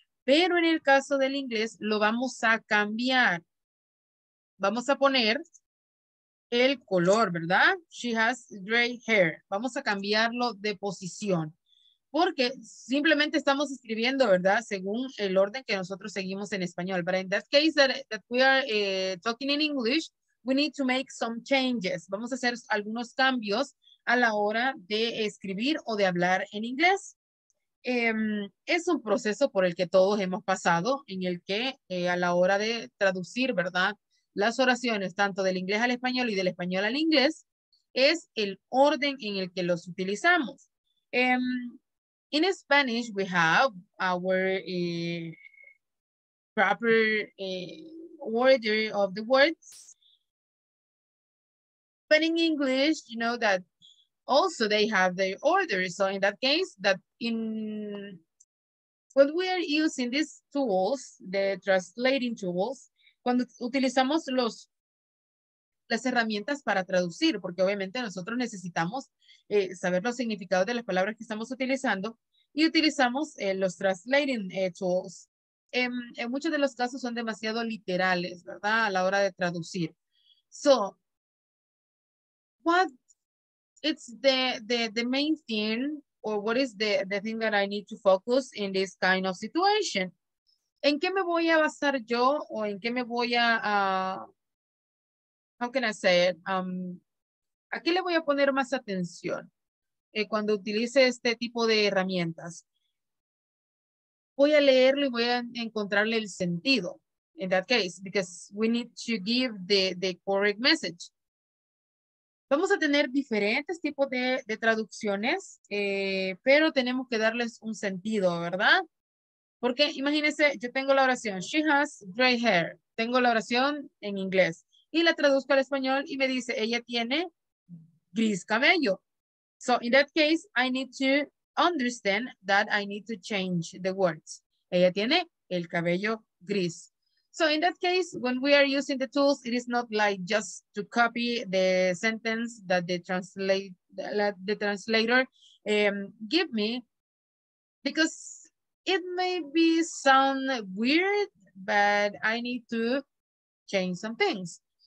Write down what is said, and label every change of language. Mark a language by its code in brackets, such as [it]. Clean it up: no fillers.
[es] Pero en el caso del inglés, lo vamos a cambiar. Vamos a poner el color, ¿verdad? [en] She has gray hair. [es] Vamos a cambiarlo de posición. Porque simplemente estamos escribiendo, ¿verdad? Según el orden que nosotros seguimos en español. [en] But in that case that we are talking in English, we need to make some changes. [es] Vamos a hacer algunos cambios a la hora de escribir o de hablar en inglés. Es un proceso por el que todos hemos pasado, en el que a la hora de traducir, ¿verdad? Las oraciones, tanto del inglés al español y del español al inglés, es el orden en el que los utilizamos. [en] In Spanish, we have our proper order of the words. But in English, you know that also they have their order. So in that case, that in when we are using these tools, the translating tools, [es] cuando utilizamos las herramientas para traducir, porque obviamente nosotros necesitamos saber los significados de las palabras que estamos utilizando, y utilizamos los translating tools. En muchos de los casos son demasiado literales, ¿verdad? A la hora de traducir. [en] So, what it's the main thing, or what is the thing that I need to focus in this kind of situation? [es] ¿En qué me voy a basar yo, o en qué me voy a, [en] how can I say it? [es] ¿A qué le voy a poner más atención? Cuando utilice este tipo de herramientas, voy a leerlo y voy a encontrarle el sentido. [en] In that case, because we need to give the correct message. [es] Vamos a tener diferentes tipos de traducciones, pero tenemos que darles un sentido, ¿verdad? Porque imagínense, yo tengo la oración, [en] she has gray hair. [es] Tengo la oración en inglés y la traduzco al español y me dice, ella tiene gris cabello. [en] So in that case, I need to understand that I need to change the words. [es] Ella tiene el cabello gris. [en] So in that case, when we are using the tools, it is not like just to copy the sentence that the translator give me, because it may be sound weird, but I need to change some things.